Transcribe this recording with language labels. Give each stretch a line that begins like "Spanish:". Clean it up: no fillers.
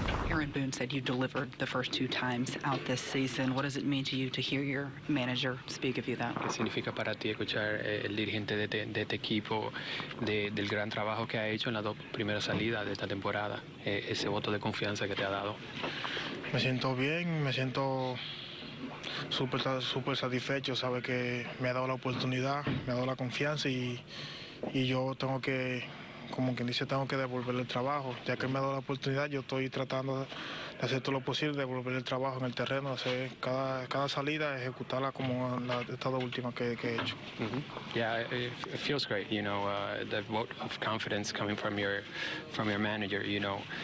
English: Aaron Boone said you delivered the first two times out this season. What does it mean to you to hear your manager speak of you that?
Spanish: ¿Qué significa para ti escuchar el dirigente de este equipo del gran trabajo que ha hecho en las dos primeras salidas de esta temporada? Ese voto de confianza que te ha dado. Me siento bien, me siento super, super satisfecho, sabe que me ha dado la oportunidad, me ha dado la confianza y yo tengo que, como quien dice, tengo que devolverle el trabajo. Ya que me ha dado la oportunidad, yo estoy tratando de hacer todo lo posible, devolverle el trabajo en el terreno, hacer cada salida, ejecutarla como la estado última que he hecho. Mm-hmm.
English: Yeah, it feels great, you know, the vote of confidence coming from your manager, you know.